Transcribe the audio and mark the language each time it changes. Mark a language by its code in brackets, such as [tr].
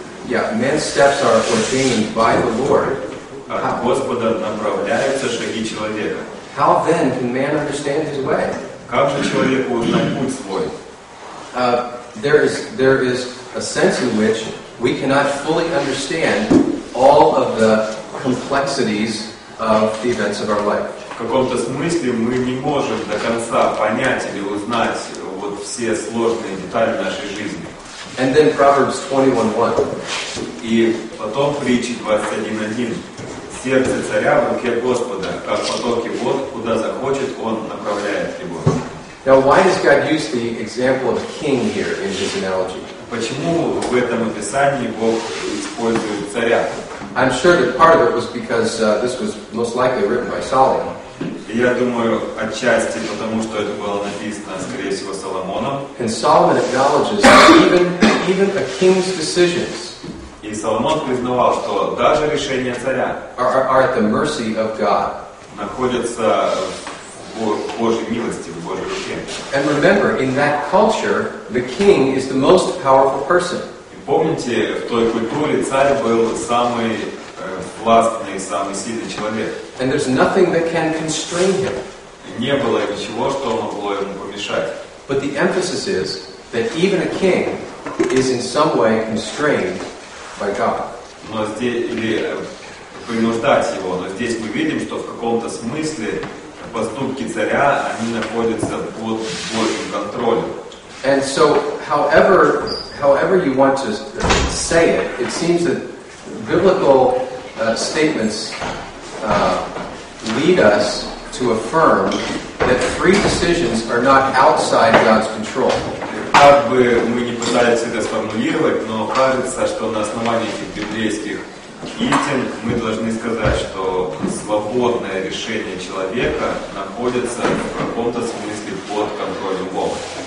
[en] Yeah, men's steps are ordained by the Lord. [ru] От Господа направляются шаги человека. [en] How then can man understand his way? [ru] Как же человеку узнать путь свой? [en] There is a sense in which we cannot fully understand all of the complexities of the events of our life. [ru] В каком-то смысле мы не можем до конца понять или узнать вот все сложные детали нашей жизни. [en] And then Proverbs 21:1. [ru] И потом притчи 21:1. Сердце царя в руке Господа, как потоки вод, куда захочет он направляет его. [en] Now, why does God use the example of a king here in this analogy? [ru] Почему в этом описании Бог использует царя? [en] I'm sure that part of it was because this was most likely written by Solomon. [ru] Я думаю, отчасти потому, что это было написано, скорее всего, Соломоном. [en] And Solomon acknowledges that even a king's decisions. [ru] И Соломон признавал, что даже решения царя [en] are at the mercy of God. [ru] Находятся Божьей милости, в Божьей руке. [en] And remember, in that culture, the king is the most powerful person. [ru] И помните, в той культуре царь был самый властный, самый сильный человек. [en] And there's nothing that can constrain him. [ru] И не было ничего, что могло ему помешать. [en] But the emphasis is that even a king is in some way constrained by God. [ru] Но здесь или принуждать его, но здесь мы видим, что в каком-то смысле поступки царя, они находятся под Божьим контролем. [en] And so, however you want to say it, it seems that biblical statements lead us to affirm that free decisions are not outside God's control. [ru] Как бы мы ни пытались это сформулировать, но кажется, что на основании этих библейских истин мы должны сказать, что свободное решение человека находится в каком-то смысле под контролем Бога.